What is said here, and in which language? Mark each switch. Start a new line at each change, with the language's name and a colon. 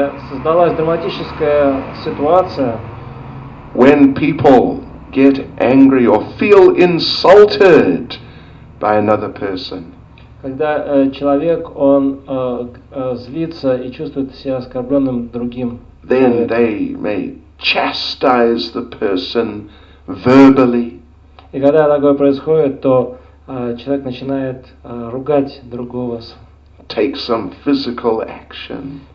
Russian: Создалась драматическая ситуация.
English: When people get angry or feel insulted by another person.
Russian: Когда человек он злится и чувствует себя оскорбленным другим.
English: Then they may chastise the person verbally.
Russian: И когда такое происходит, то человек начинает ругать другого.
English: Take some physical action.